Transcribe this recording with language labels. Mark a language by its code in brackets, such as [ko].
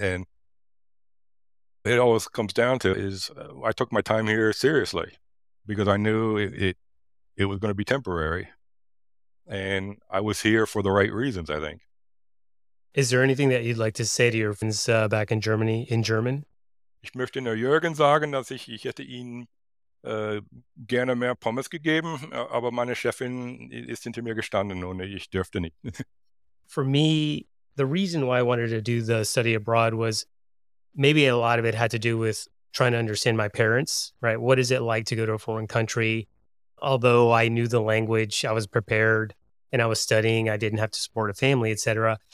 [en] And it always comes down to is I took my time here seriously because I knew it was going to be temporary. And I was here for the right reasons, I think. Is there anything that you'd like to say to your friends back in Germany in German? [de] Ich möchte nur Jürgen sagen, dass ich hätte ihn gerne mehr Pommes gegeben, aber meine Chefin ist hinter mir gestanden und ich durfte nicht. [en] For me, the reason why I wanted to do the study abroad was maybe a lot of it had to do with trying to understand my parents, right? What is it like to go to a foreign country? Although I knew the language, I was prepared and I was studying, I didn't have to support a family, et cetera.